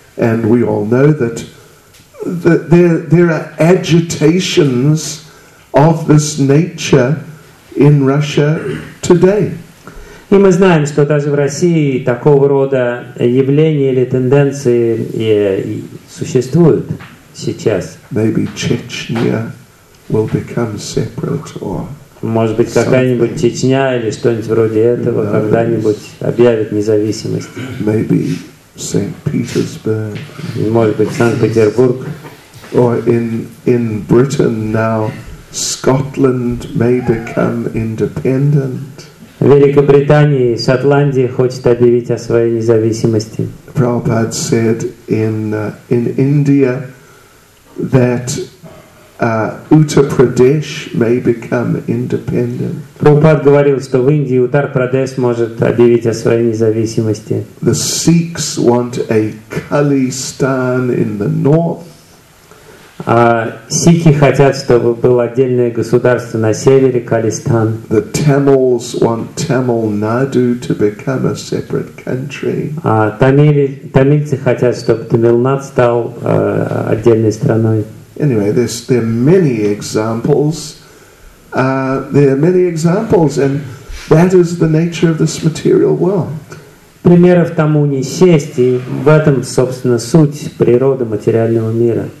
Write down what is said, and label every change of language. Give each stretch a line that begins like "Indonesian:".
English: And we all know that there are agitations of this nature in Russia today.
Russian: И мы знаем, что даже в России такого рода явления или тенденции существуют сейчас.
English: Maybe Chechnya will become separate or
Russian: может быть, какая-нибудь Чечня или что-нибудь вроде этого когда-нибудь объявит независимость.
English: Maybe Saint Petersburg.
Russian: Может быть, Санкт-Петербург.
English: Or in Britain now, Scotland may become independent.
Russian: В Великобритании, Шотландия хочет объявить о своей независимости.
English: Prabhupada said in India that Uttar Pradesh may become independent.
Russian: Prabhupada говорил, что в Индии Uttar Pradesh может объявить о своей независимости.
English: The Sikhs want a Khalistan in the north.
Russian: Сикхи хотят, чтобы было отдельное государство на севере, Калистан.
English: The Tamils want Tamil Nadu to become a separate country.
Russian: Тамильцы хотят, чтобы Тамилнад стал отдельной страной.
English: Anyway, there are many examples. There are many examples, and that is the nature of this material world.
Russian: Примеров тому не счесть, и в этом, собственно, суть природы материального мира.